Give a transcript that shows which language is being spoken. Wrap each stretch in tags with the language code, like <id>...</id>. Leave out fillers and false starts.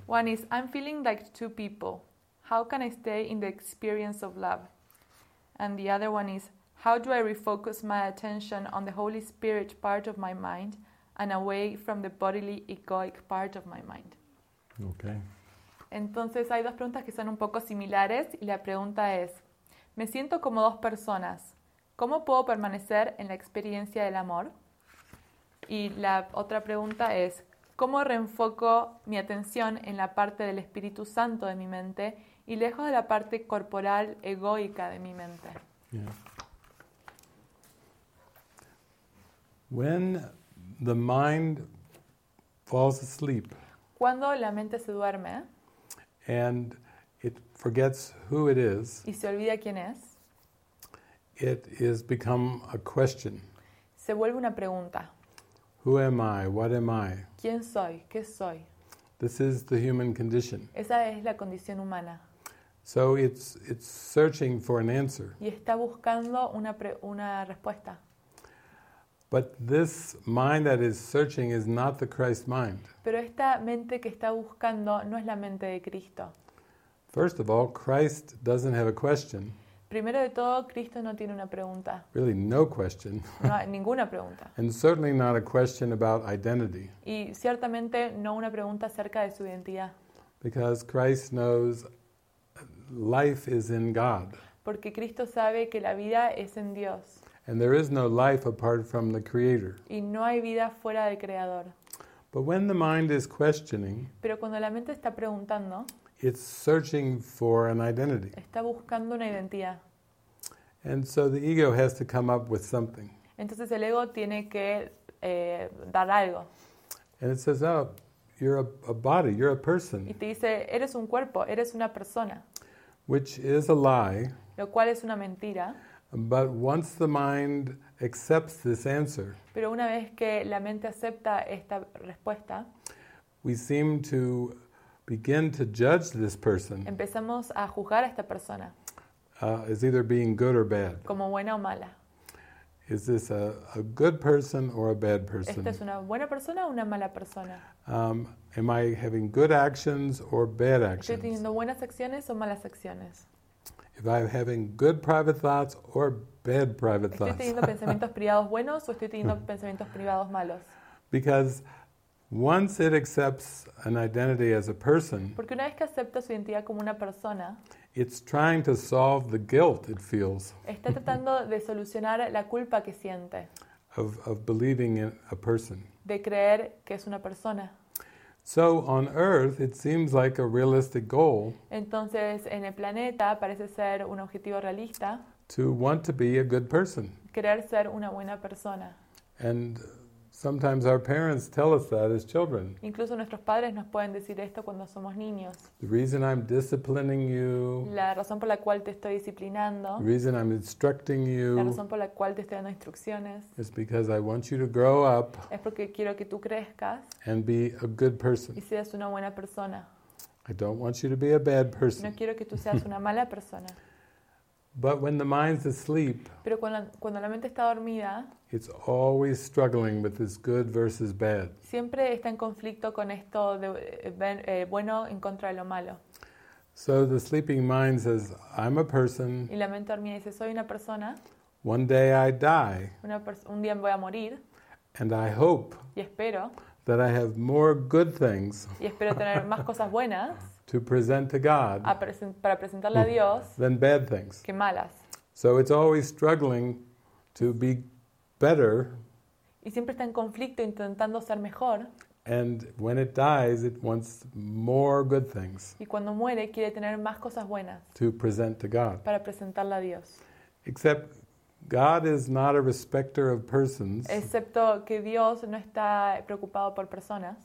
<en>One is, I'm feeling like two people. How can I stay in the experience of love? And the other one is, how do I refocus my attention on the Holy Spirit part of my mind and away from the bodily egoic part of my mind? Okay.</en> <es>Entonces hay dos preguntas que son un poco similares y la pregunta es, me siento como dos personas. ¿Cómo puedo permanecer en la experiencia del amor? Y la otra pregunta es, ¿cómo reenfoco mi atención en la parte del Espíritu Santo de mi mente y lejos de la parte corporal egoica de mi mente?</es> <en>Yeah. When the mind falls asleep,</en> <es>cuando la mente se duerme</es> <en>and it forgets who it is,</en> <es>y se olvida quién es,</es> <en>it is become a question.</en> <es>Se vuelve una pregunta.</es> <en>Who am I? What am I?</en> <es>¿Quién soy? ¿Qué soy?</es> <en>This is the human condition.</en> <es>Esa es la condición humana.</es> <en>So it's searching for an answer.</en> <es>Y está buscando una respuesta.</es> <en>But this mind that is searching is not the Christ mind.</en> <es>Pero esta mente que está buscando no es la mente de Cristo.</es> <en>First of all, Christ doesn't have a question.</en> <es>Primero de todo, Cristo no tiene una pregunta.</es> <en>Really, no question.</en> <es>No, ninguna pregunta.</es> <en>And certainly not a question about identity.</en> <es>Y ciertamente no una pregunta acerca de su identidad.</es> <en>Because Christ knows life is in God.</en> <es>Porque Cristo sabe que la vida es en Dios.</es> <en>And there is no life apart from the Creator.</en> <es>Y no hay vida fuera del Creador.</es> <en>But when the mind is questioning,</en> <es>pero cuando la mente está preguntando,</es> <en>it's searching for an identity.</en> <es>Está buscando una identidad.</es> <en>And so the ego has to come up with something.</en> <es>Entonces el ego tiene que dar algo.</es> <en>And it says, oh, you're a body, you're a person.</en> <es>Y te dice, eres un cuerpo, eres una persona.</es> <en>Which is a lie.</en> <es>Lo cual es una mentira.</es> <en>But once the mind accepts this answer,</en> <es>pero una vez que la mente acepta esta respuesta,</es> <en>we seem to begin to judge this person.</en> <es>Empezamos a juzgar a esta persona.</es> <en>Is either being good or bad.</en> <es>Como buena o mala.</es> <en>Is this a good person or a bad person?</en> <es>¿Esta es una buena persona o una mala persona?</es> <en>Am I having good actions or bad actions?</en> <es>¿Estoy teniendo buenas acciones o malas acciones?</es> <en>If I'm having good private thoughts or bad private thoughts.</en> <es>¿Estoy teniendo pensamientos privados buenos o estoy teniendo pensamientos privados malos?</es> <en>Because Once it accepts an identity as a person,</en> <es>porque una vez que acepta su identidad como una persona,</es> <en>it's trying to solve the guilt it feels.</en> <es>Está tratando de solucionar la culpa que siente.</es> <en>Of believing in a person.</en> <es>De creer que es una persona.</es> <en>So on Earth, it seems like a realistic goal.</en> <es>Entonces, en el planeta parece ser un objetivo realista.</es> <en>To want to be a good person.</en> <es>Querer ser una buena persona.</es> <en>And sometimes our parents tell us that as children.</en> <es>Incluso nuestros padres nos pueden decir esto cuando somos niños.</es> <en>The reason I'm disciplining you.</en> <es>La razón por la cual te estoy disciplinando.</es> <en>The reason I'm instructing you.</en> <es>La razón por la cual te estoy dando instrucciones.</es> <en>Is because I want you to grow up.</en> <es>Es porque quiero que tú crezcas.</es> <en>And be a good person.</en> <es>Y seas una buena persona.</es> <en>I don't want you to be a bad person.</en> <es>No quiero que tú seas una mala persona.</es> <en>But when the mind's asleep,</en> <es>pero cuando la mente está dormida,</es> <en>it's always struggling with this good versus bad.</en> <es>Siempre está en conflicto con esto de bueno en contra de lo malo.</es> <en>So the sleeping mind says, "I'm a person."</en> <es>Y la mente dormida dice, "Soy una persona."</es> <en>One day I die.</en> <es>Un día voy a morir.</es> <en>And I hope.</en> <es>Y espero.</es> <en>That I have more good things.</en> <es>Y espero tener más cosas buenas.</es> <en>To present to God</en> <es>para presentarle a Dios</es> <en>than bad things.</en> <es>Que malas.</es> <en>So it's always struggling to be better.</en> <es>Y siempre está en conflicto intentando ser mejor.</es> <en>And when it dies, it wants more good things.</en> <es>Y cuando muere, quiere tener más cosas buenas.</es> <en>To present to God.</en> <es>Para presentarle a Dios.</es> <en>Except God is not a respecter of persons.</en> <es>Excepto que Dios no está preocupado por personas.</es>